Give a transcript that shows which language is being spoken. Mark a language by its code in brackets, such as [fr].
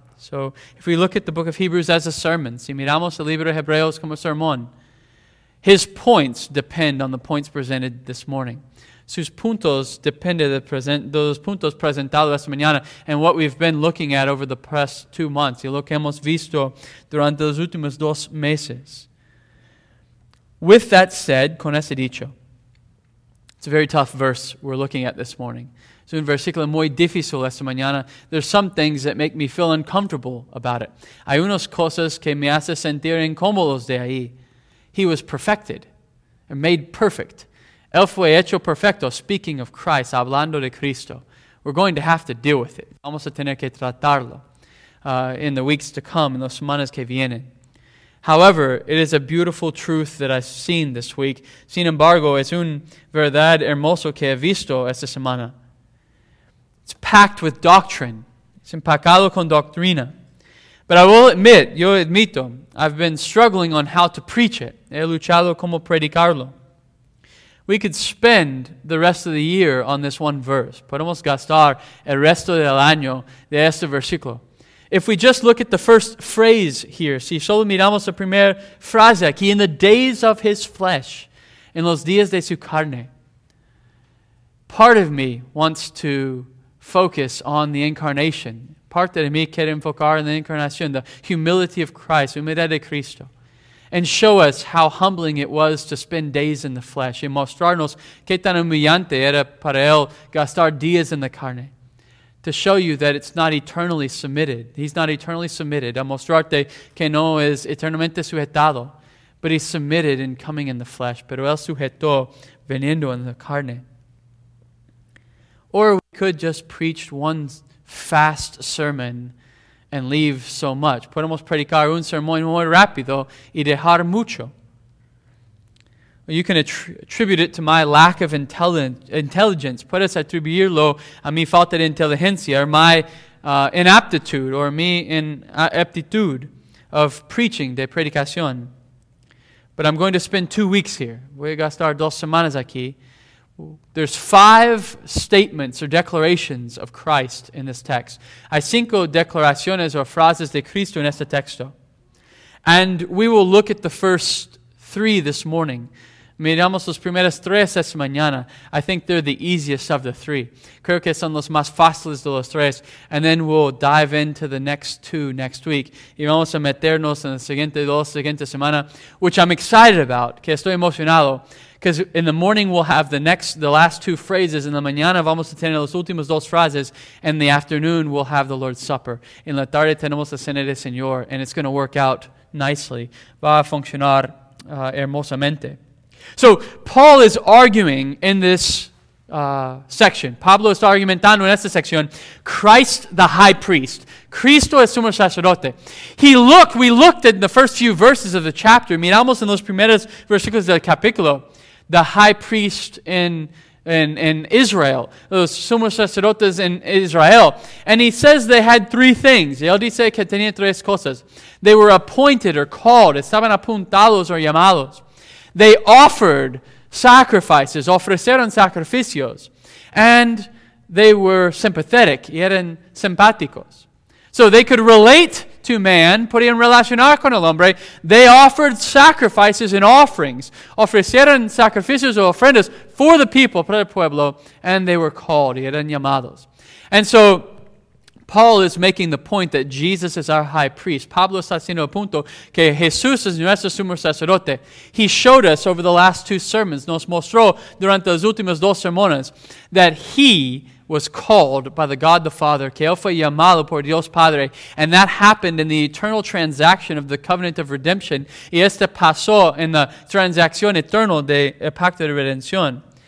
[en] So, if we look at the book of Hebrews as a sermon, [es] si miramos el libro de Hebreos como sermón, [en] his points depend on the points presented this morning. [es] sus puntos depende de los puntos presentados esta mañana [en] and what we've been looking at over the past 2 months [es] y lo que hemos visto durante los últimos 2 meses. [en] With that said, [es] con ese dicho, [en] it's a very tough verse we're looking at this morning. [es] Es un versículo muy difícil esta mañana. [en] There's some things that make me feel uncomfortable about it. [es] Hay unas cosas que me hace sentir incómodos de ahí. [en] He was perfected, or made perfect. [es] Él fue hecho perfecto, [en] speaking of Christ, [es] hablando de Cristo. [en] We're going to have to deal with it. [es] Vamos a tener que tratarlo [en] in the weeks to come, [es] en las semanas que vienen. [en] However, it is a beautiful truth that I've seen this week. [es] Sin embargo, es un verdad hermoso que he visto esta semana. [en] It's packed with doctrine. It's [es] empacado con doctrina. [en] But I will admit, [es] yo admito, [en] I've been struggling on how to preach it. [es] He luchado como predicarlo. [en] We could spend the rest of the year on this one verse. [es] Podemos gastar el resto del año de este versículo. [en] If we just look at the first phrase here, [es] si solo miramos la primera frase aquí, [en] in the days of his flesh, [es] en los días de su carne, [en] part of me wants to focus on the incarnation. [es] Parte de mí quiere enfocar en la incarnación, [en] the humility of Christ, [es] humildad de Cristo, [en] and show us how humbling it was to spend days in the flesh, [es] y mostrarnos qué tan humillante era para él gastar días en la carne. [en] To show you that it's not eternally submitted. He's not eternally submitted. [es] A mostrarte que no es eternamente sujetado. [en] But he's submitted in coming in the flesh. [es] Pero él sujetó veniendo en la carne. [en] Or we could just preach one fast sermon and leave so much. [es] Podemos predicar un sermón muy rápido y dejar mucho. [en] You can attribute it to my lack of intelligence. [es] Puedes atribuirlo a mi falta de inteligencia, [en] or my inaptitude, or [es] mi inaptitude [en] of preaching, [es] de predicación. [en] But I'm going to spend 2 weeks here. [es] Voy a gastar dos semanas aquí. [en] There's 5 statements or declarations of Christ in this text. [es] Hay 5 declaraciones or frases de Cristo en este texto. [en] And we will look at the first 3 this morning. [es] Miramos los primeros 3 esta mañana. [en] I think they're the easiest of the 3. [es] Creo que son los más fáciles de los 3. [en] And then we'll dive into the next 2 next week. [es] Y vamos a meternos en la siguiente 2 semanas, [en] which I'm excited about, [es] que estoy emocionado. [en] Because in the morning we'll have the last two phrases. [es] En la mañana vamos a tener las últimas 2 frases. [en] And in the afternoon we'll have the Lord's Supper. [es] En la tarde tenemos la cena del Señor. [en] And it's going to work out nicely. [es] Va a funcionar hermosamente. [en] So, Paul is arguing in this section. [es] Pablo está argumentando en esta sección. [en] Christ the high priest. [es] Cristo es sumo sacerdote. [en] We looked at the first few verses of the chapter. [es] Miramos en los primeros versículos del capítulo. [en] The high priest in Israel. [es] Los sumo sacerdotes [en] in Israel. And he says they had 3 things. [es] Y él dice que tenía 3 cosas. [en] They were appointed or called. [es] Estaban apuntados or llamados. [en] They offered sacrifices, [es] ofrecieron sacrificios, [en] and they were sympathetic, [es] y eran simpáticos. [en] So they could relate to man, [es] podían relacionar con el hombre. [en] They offered sacrifices and offerings, [es] ofrecieron sacrificios o ofrendas [en] for the people, [es] para el pueblo, [en] and they were called, [es] y eran llamados. [en] And so Paul is making the point that Jesus is our high priest. [es] Pablo está haciendo el punto que Jesús es nuestro sumo sacerdote. [en] He showed us over the last 2 sermons, [es] nos mostró durante las últimas 2 sermones, [en] that he was called by the God the Father, [es] que él fue llamado por Dios Padre, [en] and that happened in the eternal transaction of the covenant of redemption, [es] y este pasó en la transacción eterna del pacto de redención.